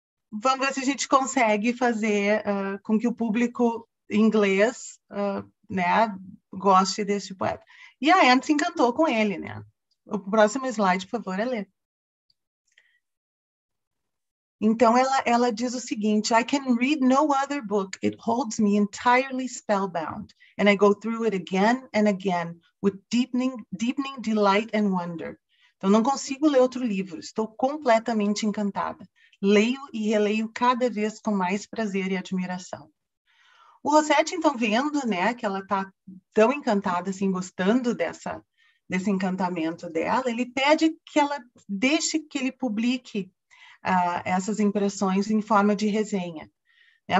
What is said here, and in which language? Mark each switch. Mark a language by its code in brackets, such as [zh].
[pt] Vamos ver se a gente consegue fazer com que o público inglês, né, goste desse poeta. E a Anne se encantou com ele, né? O próximo slide, por favor, é ler. Então ela diz o seguinte: [en] I can read no other book. It holds me entirely spellbound, and I go through it again and again with deepening delight and wonder. [pt] Eu não consigo ler outro livro, estou completamente encantada. Leio e releio cada vez com mais prazer e admiração. O Rossetti, então, vendo, né, que ela está tão encantada, assim, gostando desse encantamento dela, ele pede que ela deixe que ele publique essas impressões em forma de resenha, né?